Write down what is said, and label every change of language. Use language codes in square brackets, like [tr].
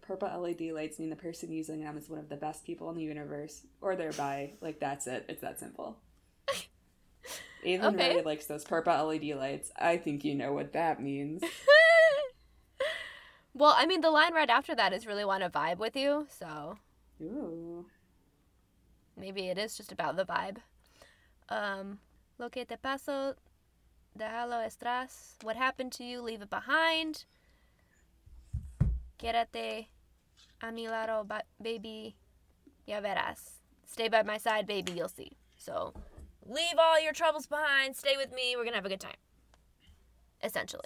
[en] Purple LED lights mean the person using them is one of the best people in the universe, or thereby. Like, that's it. It's that simple. Aiden okay. really likes those purple LED lights. I think you know what that means. Well, I mean, the line right after that is really want to vibe with you, so. Ooh. Maybe it is just about the vibe. [es] Lo que te paso, déjalo atrás. [en] What happened to you, leave it behind. [es] Quédate a mi lado, baby. Ya verás. [en] Stay by my side, baby, you'll see. So, leave all your troubles behind. Stay with me. We're going to have a good time. Essentially.